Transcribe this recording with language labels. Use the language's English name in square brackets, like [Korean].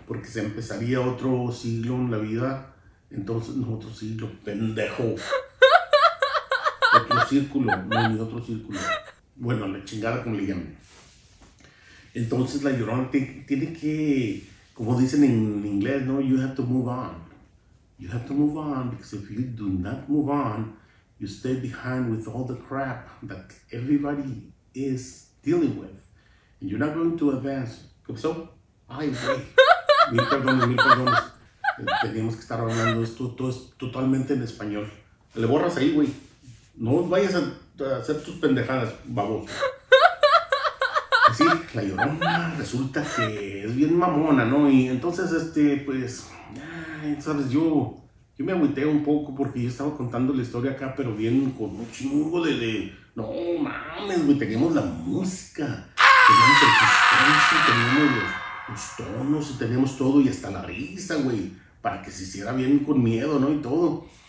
[Spanish] Porque se empezaría otro siglo en la vida, entonces, no, otro siglo, pendejo. Otro círculo, no, ni otro círculo. Bueno, la chingada, como le llamen. Entonces, la Llorona tiene que, como dicen en inglés, ¿no? [English] You have to move on. You have to move on, because if you do not move on, you stay behind with all the crap that everybody is dealing with. And you're not going to advance. [Spanish] ¿Cómo so? Ay, güey. Mil perdones, mil perdones. Teníamos que estar hablando esto, todo es totalmente en español. Le borras ahí, güey. No vayas a hacer tus pendejadas, baboso. Así, la Llorona resulta que es bien mamona, ¿no? Y entonces, pues... sabes, yo me agüité un poco porque yo estaba contando la historia acá, pero bien con un chingo de no mames, güey, teníamos la música, teníamos el suspense, teníamos los tonos y teníamos todo y hasta la risa, güey, para que se hiciera bien con miedo, ¿no? Y todo.